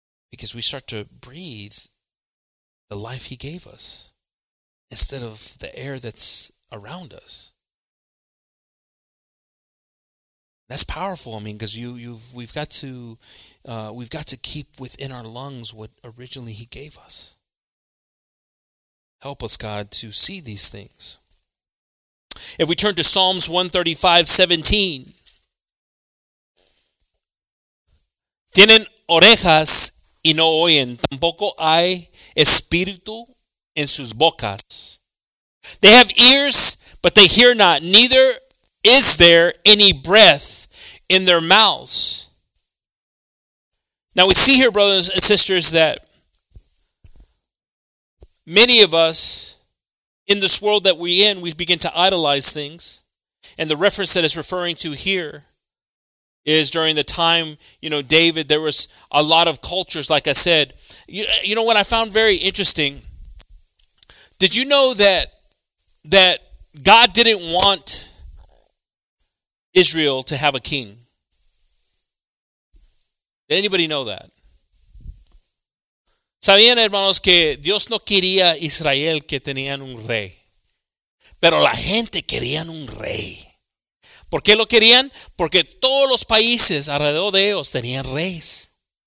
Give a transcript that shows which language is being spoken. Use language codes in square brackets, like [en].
[en] Because we start to breathe the life he gave us instead of the air that's around us. That's powerful. I mean, because we've got to keep within our lungs what originally he gave us. Help us, God, to see these things. If we turn to Psalms 135:17, [es] tienen orejas y no oyen, tampoco hay espíritu en sus bocas. [en] They have ears, but they hear not, neither is there any breath in their mouths. Now we see here, brothers and sisters, that many of us in this world that we're in, we begin to idolize things. And the reference that it's referring to here is during the time, you know, David, there was a lot of cultures, like I said. You know what I found very interesting? Did you know that God didn't want Israel to have a king? Did anybody know that? [es] ¿Sabían, hermanos, que Dios no quería Israel que tenían un rey? Pero la gente querían un rey. ¿Por qué lo querían? Porque todos los países alrededor de ellos tenían reyes.